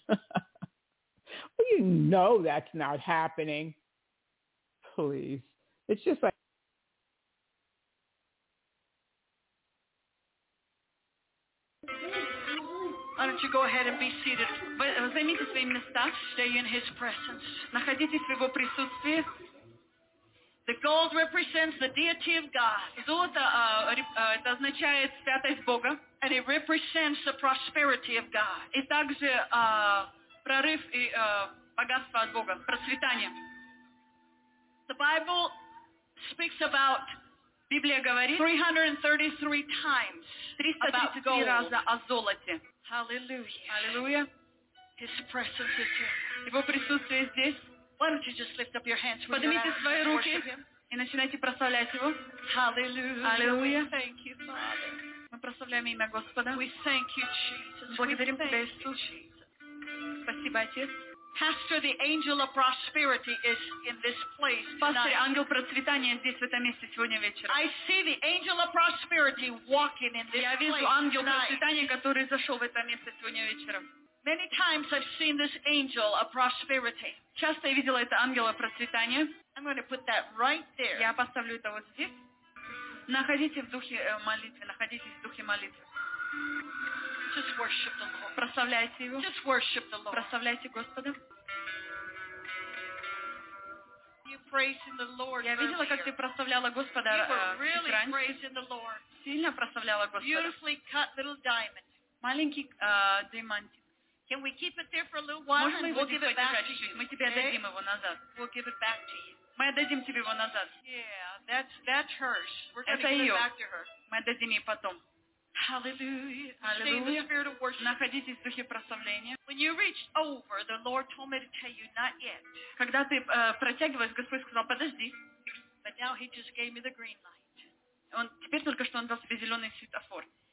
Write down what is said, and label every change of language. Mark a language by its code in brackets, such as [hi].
[en] Well, you know that's not happening. Please. It's just like, why don't you go ahead and be seated. [ru] Займите свои места, [en] stay in his presence. [ru] Находитесь в его присутствии. [en] The gold represents the deity of God. [ru] Золото это означает святость Бога. [en] And it represents the prosperity of God. [ru] И также прорыв и богатство от Бога, процветание. [en] The Bible speaks about, [ru] Библия говорит, [en] 333 times about gold. [ru] 333 раза о золоте. Hallelujah. Hallelujah. [en] His presence is here. [ru] Его присутствие здесь. [en] Why don't you just lift up your hands? [ru] Поднимите свои руки и начинайте прославлять его. [en] Hallelujah. Hallelujah. Thank you, Father. [ru] Мы прославляем имя Господа. [en] We thank you, Jesus. [ru] Благодарим тебя, Иисус. Спасибо, Отец. [en] Pastor, the angel of prosperity is in this place. [ru] Пастор, ангел процветания здесь, в этом месте сегодня вечером. [en] I see the angel of prosperity walking in this place. [ru] Я вижу ангел процветания, который зашел в это место сегодня вечером. [en] Many times I've seen this angel of prosperity. [ru] Часто я видела это ангела процветания. [en] I'm going to put that right there. [ru] Я поставлю это вот здесь. Находитесь в духе молитвы. Находитесь в духе молитвы. [en] Just worship the Lord. [ru] Прославляйте его. [en] Just worship the Lord. [ru] Прославляйте Господа. [en] You praising the Lord. [ru] Я видела, как ты прославляла Господа. [en] Really praising the Lord. [ru] Сильно прославляла Господа. [en] Beautifully cut little diamond. [ru] Маленький диамантик. [en] Can we keep it there for a little while? [ru] Можем мы его [en] give it back to you? [ru] Мы тебе отдадим его назад. [en] We'll give it back to you. [ru] Мы отдадим тебе его назад. [en] Yeah, that's hers. We're going to give it back to her. [ru] Мы отдадим ей потом. [en] Hallelujah. [ru] Находитесь в духе прославления. [en] When you reached over, the Lord told me to tell you not yet. [ru] Когда ты протягиваешь, Господь сказал, подожди. [en] But now he just gave me the green light. [ru] Он теперь только что он дал тебе зеленый светофор.